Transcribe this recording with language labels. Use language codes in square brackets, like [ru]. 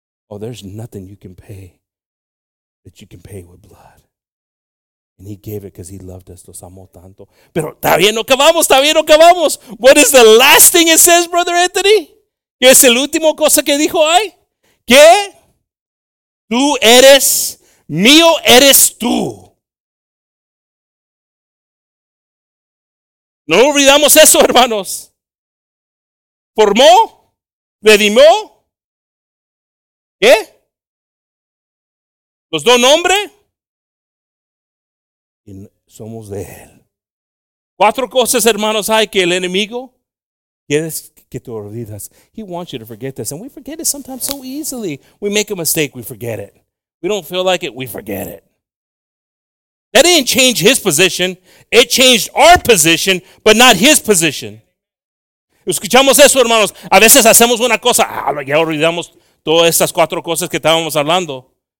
[en] Oh, there's nothing you can pay that you can pay with blood. And he gave it because he loved us. [es] Los amó tanto. Pero todavía no acabamos. [en] What is the last thing it says, Brother Anthony? [es] ¿Qué es el último cosa que dijo ahí? Que tú eres mío, eres tú. No olvidamos eso, hermanos. Formó, redimió, ¿qué? Los dos nombres. Y somos de él. Cuatro cosas, hermanos, hay que el enemigo quiere que te olvides. [en] He wants you to forget this. And we forget it sometimes so easily. We make a mistake, we forget it. We don't feel like it, we forget it. That didn't change his position. It changed our position, but not his position. [es] Escuchamos eso, hermanos. A veces hacemos una cosa. Ya olvidamos todas estas cuatro cosas que estábamos hablando.